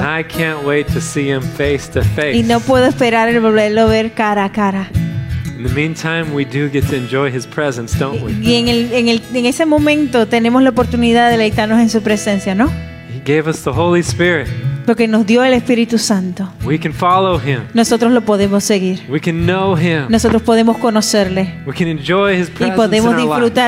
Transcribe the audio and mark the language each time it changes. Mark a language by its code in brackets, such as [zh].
[en] And I can't wait to see Him face to face. [es] Y no puedo esperar el volverlo a ver cara a cara. [en] In the meantime, we do get to enjoy His presence, don't we? [es] Y en ese momento tenemos la oportunidad de deleitarnos en su presencia, ¿no? [en] He gave us the Holy Spirit. [es] Porque nos dio el Espíritu Santo. [en] We can follow Him. [es] Nosotros lo podemos seguir. [en] We can know Him. [es] Nosotros podemos conocerle. [en] We can enjoy His presence. [es] Y podemos disfrutar